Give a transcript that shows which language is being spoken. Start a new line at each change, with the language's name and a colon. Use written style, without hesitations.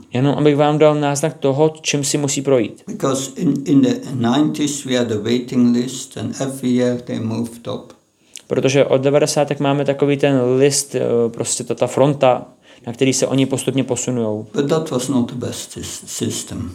Czech: Jenom abych vám dal náznak toho, čím si musí projít.
English: Because in the 90s we had a waiting list and every year they moved up.
Czech: Protože od 90. máme takový ten list, prostě ta fronta, na který se oni postupně posunujou.
English: But that was not the best system.